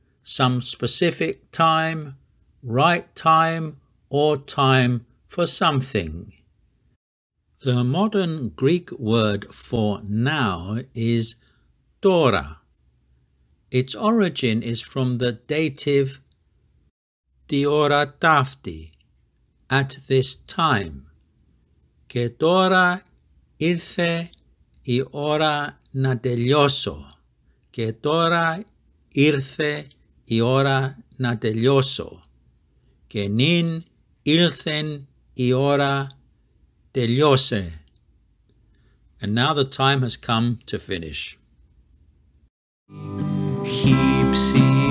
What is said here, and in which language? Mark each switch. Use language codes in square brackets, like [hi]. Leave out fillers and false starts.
[en] some specific time, right time, or time for something. The modern Greek word for now is τώρα. Its origin is from the dative [el] τη ώρα ταύτη, [en] at this time. [el] Και τώρα ήρθε η ώρα να τελειώσω. Και τώρα ήρθε η ώρα να τελειώσω. Και νυν ήλθεν η ώρα τελειώσε. [en] And now the time has come to finish.